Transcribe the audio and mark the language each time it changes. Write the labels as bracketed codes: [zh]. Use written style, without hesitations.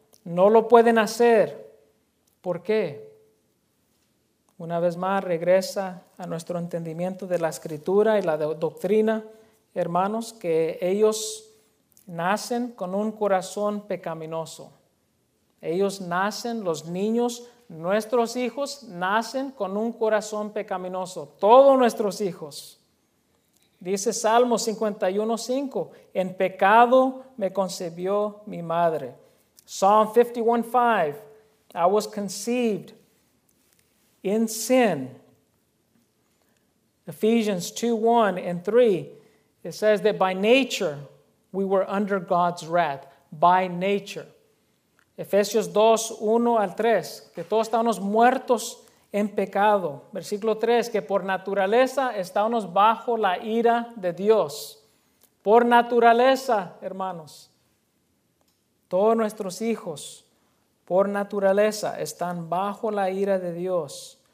[es] No lo pueden hacer. ¿Por qué? Una vez más, regresa a nuestro entendimiento de la escritura y la doctrina, hermanos, que ellos nacen con un corazón pecaminoso. Ellos nacen, los niños, nuestros hijos, nacen con un corazón pecaminoso. Todos nuestros hijos. Dice Salmo 51:5, en pecado me concebió mi madre. [en] Psalm 51:5, I was conceived in sin. Ephesians 2:1-3, it says that by nature we were under God's wrath. By nature. [es] Efesios 2:1-3, que todos estábamos muertos en pecado. Versículo 3, que por naturaleza estábamos bajo la ira de Dios. Por naturaleza, hermanos. Todos nuestros hijos, por naturaleza, están bajo la ira de Dios.